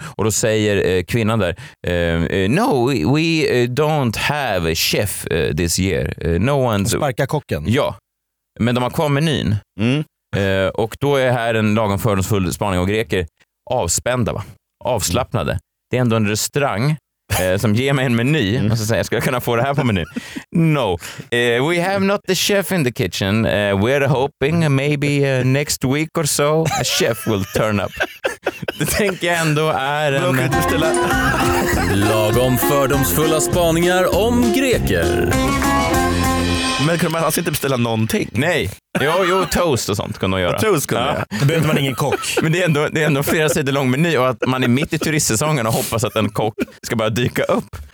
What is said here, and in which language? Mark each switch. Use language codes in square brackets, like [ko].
[sv] Och då säger kvinnan där: [en] no, we don't have a chef this year. No one's. [sv] Sparka kocken. Ja. Men de har kvar menyn. Och då är här en lagom fördomsfull spaning av greker. Avspända, va? Avslappnade. Det är ändå en restaurang som ger mig en meny. Och så säger jag: ska jag kunna få det här på meny? [en] No. We have not the chef in the kitchen. We're hoping maybe next week or so a chef will turn up. [sv] Det tänker jag ändå är en lagom fördomsfulla spaningar om greker. Men kunde man alltså inte beställa någonting? Nej. Jo, toast och sånt kunde man göra. Toast kunde jag. Då behövde man ingen kock. Men det är ändå flera sidor lång meny och att man är mitt i turistsäsongen och hoppas att en kock ska bara dyka upp.